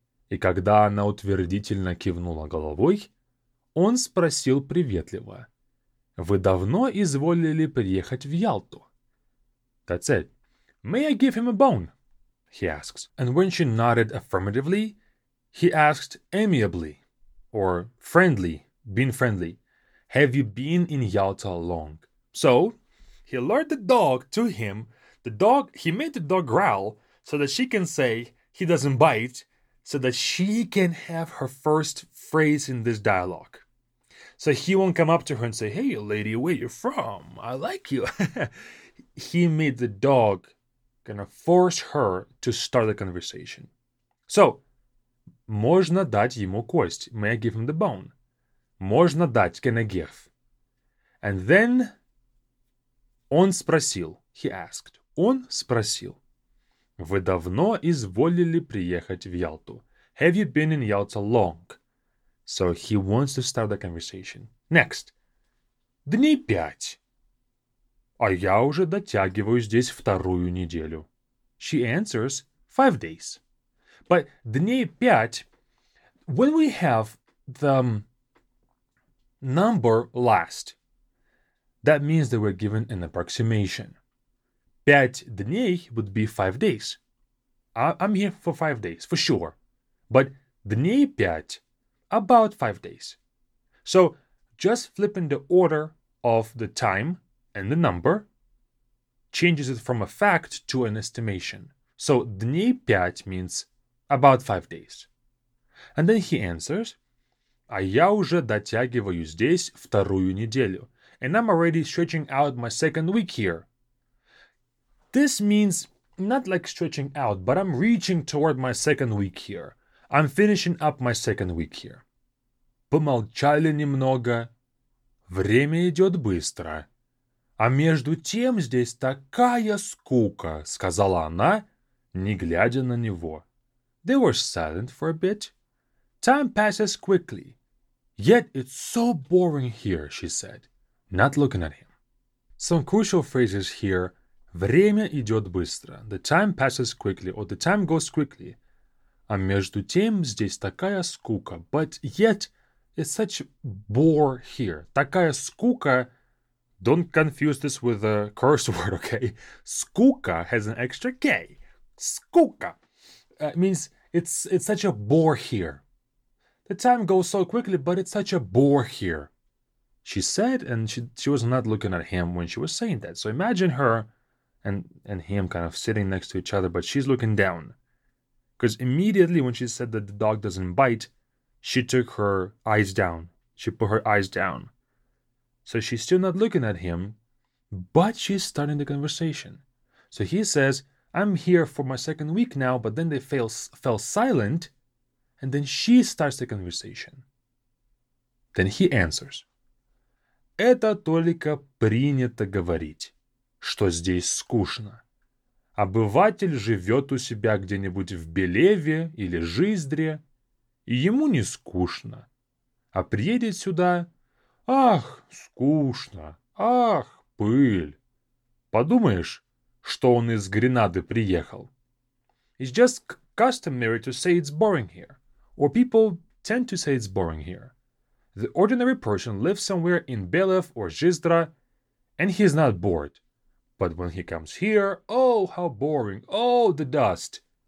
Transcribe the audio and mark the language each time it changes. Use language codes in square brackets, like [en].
[ru] И когда она утвердительно кивнула головой, он спросил приветливо. Вы давно изволили приехать в Ялту? [en] That's it. May I give him a bone? He asks. And when she nodded affirmatively, he asked amiably, or friendly, being friendly, have you been in Ялта long? So, he lured the dog to him. The dog, he made the dog growl so that she can say he doesn't bite, so that she can have her first phrase in this dialogue. So he won't come up to her and say, hey, lady, where are you from? I like you. He made the dog kind of force her to start the conversation. [ru] So, можно дать ему кость? [en] May I give him the bone? [ru] Можно дать, [en] can I give? And then [ru] он спросил, [en] he asked, [ru] он спросил, вы давно изволили приехать в Ялту? [en] Have you been in Yalta long? So he wants to start the conversation. [ru] Next. Дни пять. А я уже дотягиваю здесь вторую неделю. [en] She answers, 5 days. But [ru] дни пять, [en] when we have the number last, that means that we're given an approximation. [ru] Пять дней [en] would be 5 days. I'm here for 5 days, for sure. But [ru] дней пять, [en] about 5 days. So, just flipping the order of the time and the number changes it from a fact to an estimation. So, [ru] дней пять [en] means about 5 days. And then he answers, [ru] а я уже дотягиваю здесь вторую неделю. [en] And I'm already stretching out my second week here. This means not like stretching out, but I'm reaching toward my second week here. I'm finishing up my second week here. [ru] Помолчали немного. Время идет быстро. А между тем здесь такая скука, сказала она, не глядя на него. [en] They were silent for a bit. Time passes quickly. Yet it's so boring here, she said. Not looking at him. Some crucial phrases here. [ru] Время идет быстро. [en] The time passes quickly, or the time goes quickly. [ru] А между тем здесь такая скука. [en] But yet, it's such bore here. [ru] Такая скука. [en] Don't confuse this with a curse word, okay? Скука has an extra K. [ru] Скука. [en] It means it's such a bore here. The time goes so quickly, but it's such a bore here. She said, and she was not looking at him when she was saying that. So imagine her and him kind of sitting next to each other, but she's looking down. Because immediately when she said that the dog doesn't bite, she took her eyes down. She put her eyes down. So she's still not looking at him, but she's starting the conversation. So he says, I'm here for my second week now, but then they fell silent, and then she starts the conversation. Then he answers. [ru] Это только принято говорить, что здесь скучно. Обыватель живет у себя где-нибудь в Белеве или Жиздре, и ему не скучно. А приедет сюда, ах, скучно, ах, пыль. Подумаешь, что он из Гренады приехал. [en] It's just customary to say it's boring here, or people tend to say it's boring here. The ordinary person lives somewhere in Belev or Zhizdra, and he is not bored. But when he comes here, oh, how boring, oh, the dust.